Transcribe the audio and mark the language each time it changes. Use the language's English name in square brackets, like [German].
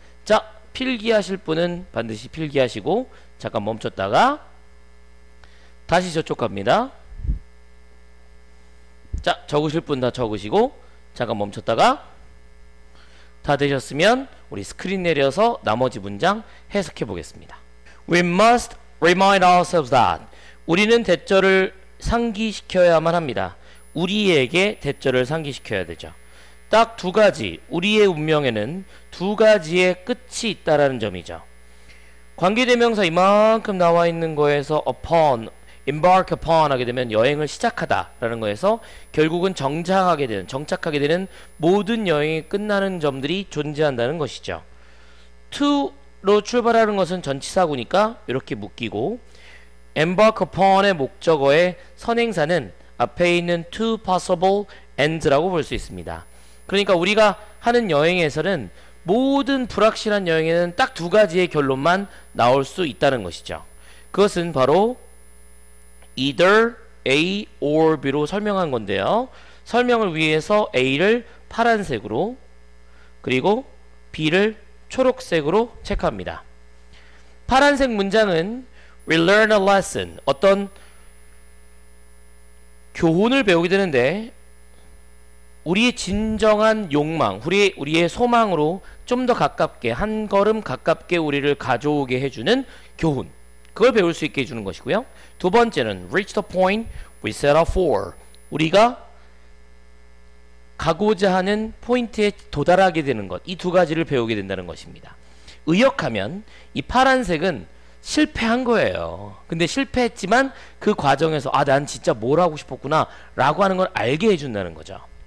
[Korean] 자, 필기하실 분은 반드시 필기하시고 잠깐 멈췄다가 다시 저쪽 갑니다. 자, 적으실 분 다 적으시고 잠깐 멈췄다가 다 되셨으면 우리 스크린 내려서 나머지 문장 해석해 보겠습니다. [English] We must remind ourselves that [Korean] 우리는 대절을 상기시켜야만 합니다. 우리에게 대절을 상기시켜야 되죠. 딱 두 가지 우리의 운명에는 두 가지의 끝이 있다라는 점이죠. 관계대명사 이만큼 나와 있는 거에서 upon, embark upon 하게 되면 여행을 시작하다 라는 거에서 결국은 정착하게 되는 모든 여행이 끝나는 점들이 존재한다는 것이죠. to로 출발하는 것은 전치사구니까 이렇게 묶이고 embark upon의 목적어의 선행사는 앞에 있는 to possible ends라고 볼 수 있습니다. 그러니까 우리가 하는 여행에서는 모든 불확실한 여행에는 딱 두 가지의 결론만 나올 수 있다는 것이죠. 그것은 바로 either A or B로 설명한 건데요. 설명을 위해서 A를 파란색으로 그리고 B를 초록색으로 체크합니다. 파란색 문장은 [English] We learn a lesson. [Korean] 어떤 교훈을 배우게 되는데 우리의 진정한 욕망, 우리의 소망으로 좀 더 가깝게, 한 걸음 가깝게 우리를 가져오게 해주는 교훈. 그걸 배울 수 있게 해주는 것이고요. 두 번째는 [English] reach the point we set up for. [Korean] 우리가 가고자 하는 포인트에 도달하게 되는 것. 이 두 가지를 배우게 된다는 것입니다. 의역하면 이 파란색은 실패한 거예요. 근데 실패했지만 그 과정에서 아, 난 진짜 뭘 하고 싶었구나 라고 하는 걸 알게 해준다는 거죠.